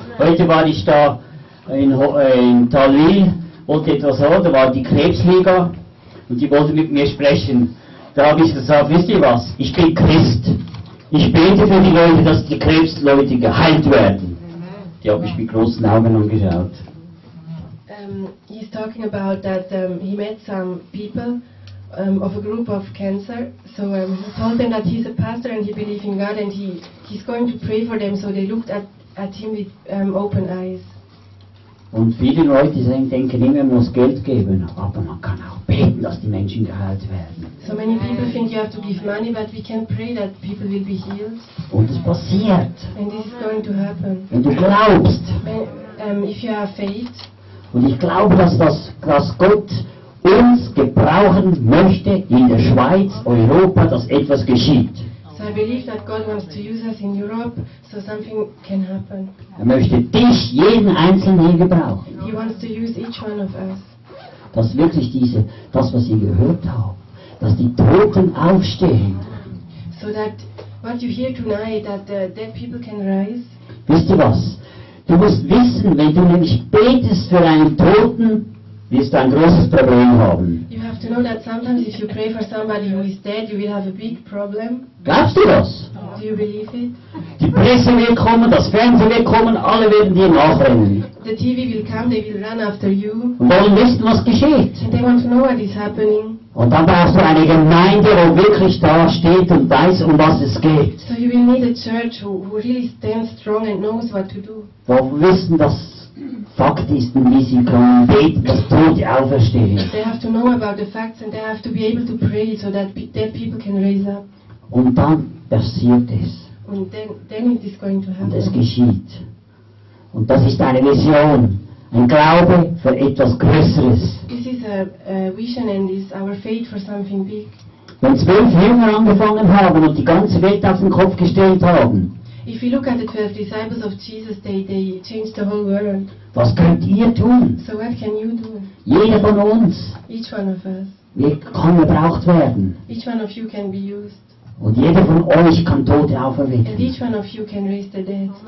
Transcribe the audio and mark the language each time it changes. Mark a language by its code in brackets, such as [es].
[de] Heute war ich da in Talwil, wollte etwas hören, da war die Krebsliga und die wollte mit mir sprechen. Da habe ich gesagt, wisst ihr was, ich bin Christ. Ich bete für die Leute, dass die Krebsleute geheilt werden. Die habe ich mit großen Augen angeschaut. [en] He's talking about that he met some people of a group of cancer. So he told them that he's a pastor and he believes in God and he's going to pray for them. So they looked at him with open eyes. [de] Und viele Leute denken immer, man muss Geld geben, aber man kann auch beten, dass die Menschen geheilt werden. [en] So many people think you have to give money, but we can pray that people will be healed. [de] Und es passiert. [en] And this is going to happen. [de] Wenn du glaubst. [en] If you have faith. [de] Und ich glaube, dass Gott uns gebrauchen möchte in der Schweiz, Europa, dass etwas geschieht. [en] So I believe that God wants to use us in Europe, so something can happen. [de] Er möchte dich, jeden Einzelnen hier gebrauchen. [en] He wants to use each one of us. [de] Dass wirklich das, was ihr gehört habt, dass die Toten aufstehen. [en] So that what you hear tonight, that the dead people can rise. [de] Wisst ihr was? Du musst wissen, wenn du nämlich betest für einen Toten, wirst du ein großes Problem haben. [en] You have to know that sometimes if you pray for somebody who is dead, you will have a big problem. [de] Glaubst du das? [en] Do you believe it? [de] Die Presse will kommen, das Fernsehen will kommen, alle werden dir nachrennen. [en] The TV will come, they will run after you. [de] Und wollen wissen, was geschieht. [en] And they want to know what is happening. [de] Und dann brauchst du eine Gemeinde, wo wirklich da steht und weiß, um was es geht. [en] So you will need a church who really stands strong and knows what to do. [de] Wo wir wissen, dass Fakt ist, und wie sie können beten, dass Tote auferstehen. [en] They have to know about the facts and they have to be able to pray so that dead people can raise up. [de] Und dann passiert es. [en] And then it is going to happen. [de] Und es geschieht. Und das ist eine Vision. Ein Glaube für etwas Größeres. [en] This is a vision and is our faith for something big. [de] Wenn 12 Jünger angefangen haben und die ganze Welt auf den Kopf gestellt haben. [en] If you look at the 12 disciples of Jesus, they changed the whole world. [de] Was könnt ihr tun? [en] So what can you do? [de] Jeder von uns. [en] Each one of us. [de] Wir können gebraucht werden. [en] Each one of you can be used. [de] Und jeder von euch kann Tote auferwecken. [en] And each one of you can raise the dead.